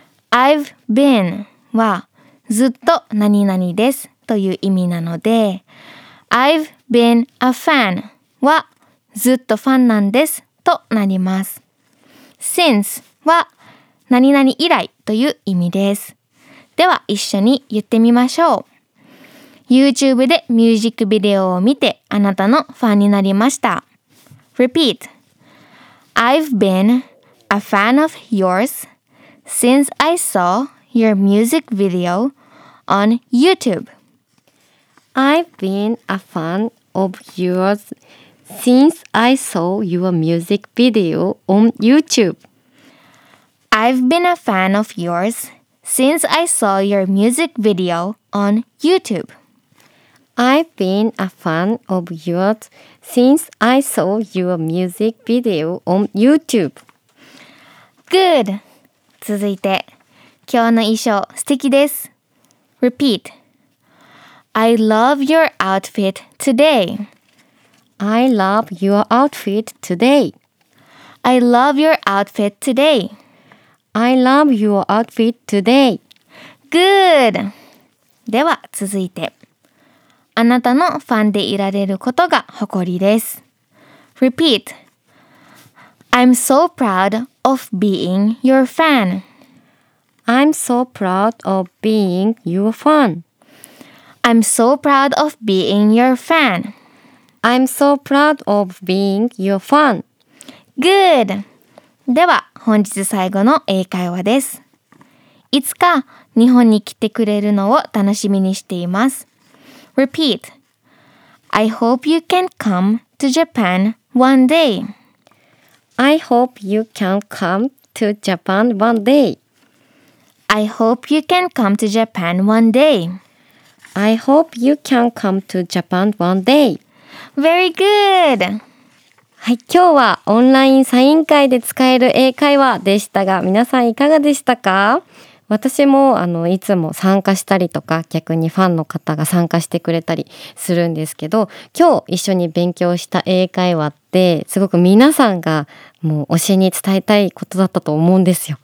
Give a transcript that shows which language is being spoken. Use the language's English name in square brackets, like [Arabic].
[English] I've been [Japanese] はずっと何々ですという意味なので、 [English] I've been a fan [Japanese] はずっとファンなんですとなります。 Since は何々以来という意味です。では一緒に言ってみましょう。 YouTube でミュージックビデオを見てあなたのファンになりました。 [English] Repeat: I've been a fan of yours since I saw your music video on YouTube. I've been a fan of yours since I saw your music video on YouTube. I've been a fan of yours since I saw your music video on YouTube. I've been a fan of yours since I saw your music video on YouTube. Good! [Japanese] 続いて、今日の衣装素敵です。 [English] Repeat. I love your outfit today. I love your outfit today. I love your outfit today. I love your outfit today. Good! [Japanese] では続いて、あなたのファンでいられることが誇りです。 [English] Repeat. I'm so proud of being your fan. I'm so proud of being your fan. I'm so proud of being your fan. I'm so proud of being your fan. Good! [Japanese] では本日最後の英会話です。いつか日本に来てくれるのを楽しみにしています。 [English] Repeat. I hope you can come to Japan one day. I hope you can come to Japan one day. I hope you can come to Japan one day. I hope you can come to Japan one day. Very good! [Japanese] はい、今日はオンラインサイン会で使える英会話でしたが、皆さんいかがでしたか？私もいつも参加したりとか、逆にファンの方が参加してくれたりするんですけど、今日一緒に勉強した英会話ってすごく皆さんがもう推しに伝えたいことだったと思うんですよ。